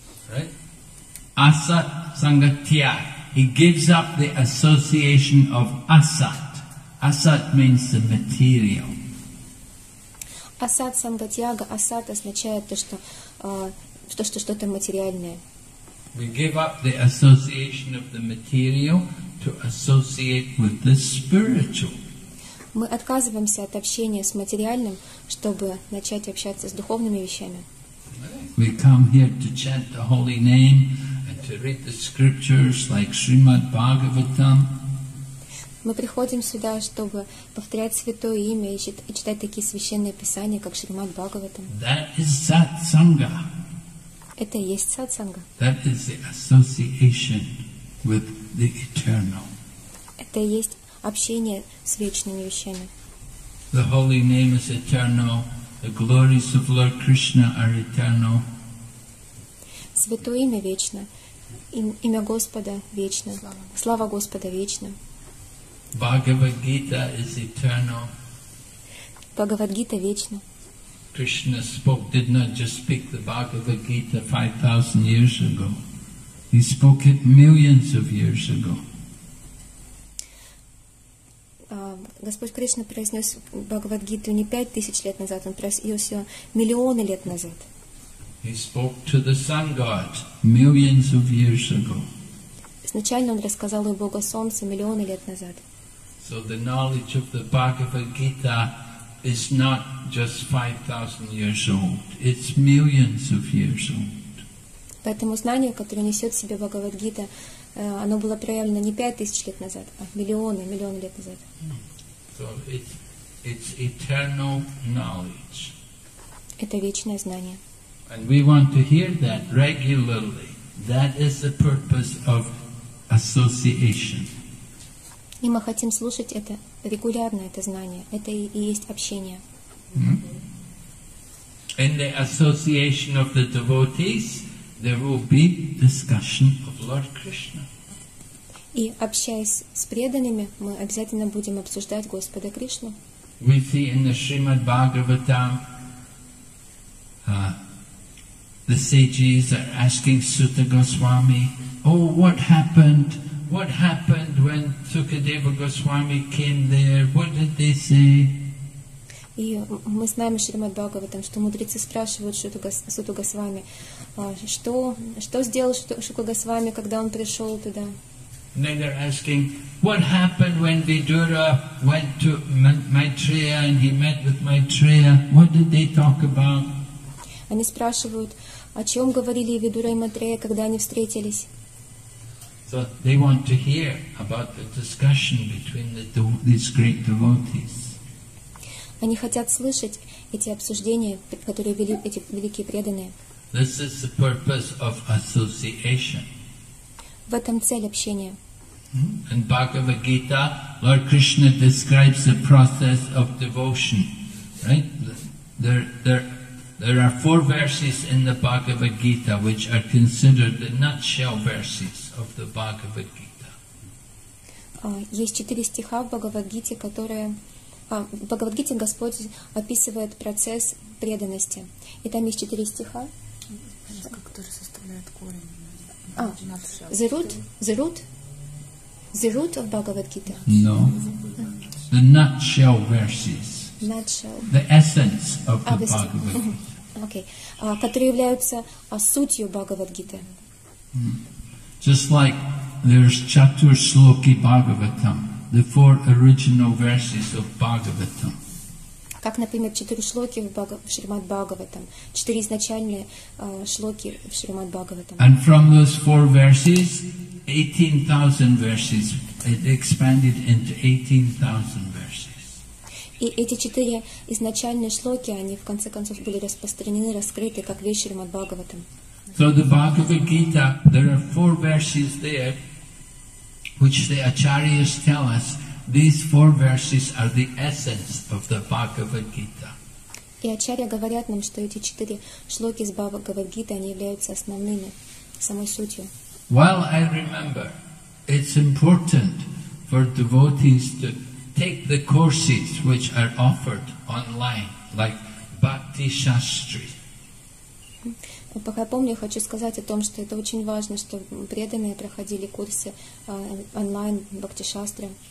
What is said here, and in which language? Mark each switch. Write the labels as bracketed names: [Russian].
[English] Right? Асад Сангатьяга. He gives up the association of Асад. Асад means the material. Асад Сангатьяга. [Russian] Асад означает то, что что-то материальное. [English] We give up the association of the material to associate with the spiritual. [Russian] Мы отказываемся от общения с материальным, чтобы начать общаться с духовными вещами. [English] We come here to chant the holy name and to read the scriptures like Srimad Bhagavatam. [Russian] Мы приходим сюда, чтобы повторять святое имя и читать такие священные писания, как Шримад Бхагаватам. [English] That is satsanga. [Russian] Это и есть сатсанга. [English] That is the association with the eternal. [Russian] Это и есть общение с вечными вещами. [English] The holy name is eternal. The glories of Lord Krishna are eternal. [Russian] Святое имя вечно. Имя Господа вечно. Слава Господа вечна. [English] Bhagavad Gita is eternal. [Russian] Bhagavad Gita вечна. [English] Krishna spoke, did not just speak the Bhagavad Gita 5,000 years ago. He spoke it millions of years ago. [Russian] Господь Кришна произнес Бхагавад-гиту не 5000 лет назад, он произнес ее миллионы лет назад. [English] He spoke to the sun god millions of years ago. [Russian] Изначально он рассказал ее Богу Солнцу миллионы лет назад. [English] So the knowledge of the Bhagavad-gita is not just 5000 years old. It's millions of years old. [Russian] Поэтому знание, которое несет в себе Бхагавад-гита, оно было проявлено не 5000 лет назад, а миллионы лет назад. [English] So it's eternal knowledge. [Russian] Это вечное знание. [English] And we want to hear that regularly. That is the purpose of association. [Russian] И мы хотим слушать это регулярно, это знание. Это и есть общение. [English] In the association of the devotees, there will be discussion of Lord Krishna. [Russian] И общаясь с преданными, мы обязательно будем обсуждать Господа Кришну. [English] We see in the Srimad Bhagavatam, the sages are asking Sutta Goswami, "Oh, what happened? What happened when Sukadeva Goswami came there? What did they say?" [Russian] И мы знаем Шримад Бхагаватам, что мудрецы спрашивают Шута Госвами, что сделал Шута Госвами, когда он пришел туда. [English] And then they're asking, what happened when Vidura went to Maitreya and he met with Maitreya? What did they talk about? [Russian] Они спрашивают, о чем говорили Видура и Матрея, когда они встретились. [English] So they want to hear about the discussion between these great devotees. [Russian] Они хотят слышать эти обсуждения, которые вели эти великие преданные. [English] This is the purpose of association. [Russian] В этом цель общения. [English] In Bhagavad Gita, Lord Krishna describes the process of devotion. Right? There are four verses in the Bhagavad Gita which are considered the nutshell verses of the Bhagavad Gita. [Russian] Есть четыре стиха в Бхагавад-гите, которые... В Бхагавад-гите Господь описывает процесс преданности. И там есть четыре стиха. Которые составляют корень. [English] The root of Бхагавад-гита. No. The nutshell verses. Nutshell. The essence of the Bhagavad-gita. [Russian] Okay. Которые являются сутью Бхагавад-гиты. [English] Just like there's Chatur Sloki Bhagavatam, the four original verses of Bhagavatam. [Russian] Как, например, четыре шлоки в Шримад Бхагаватам, четыре изначальные шлоки в Шримад Бхагаватам. [English] And from those four verses, 18,000 verses, it expanded into 18,000 verses. [Russian] И эти четыре изначальные шлоки, они в конце концов были распространены, раскрыты как весь Шримад Бхагаватам. [English] So the Bhagavad Gita, there are four verses there, which the acharyas tell us. These four verses are the essence of the Bhagavad Gita. [Russian] И ачарья говорят нам, что эти четыре шлоки из Бхагавад Гиты они являются основными, самой сутью. [English] Well, I remember, it's important for devotees to take the courses which are offered online, like Bhakti Shastri. [Russian] Пока я помню, хочу сказать о том, что это очень важно, что преданные проходили курсы онлайн Бхакти Шастри.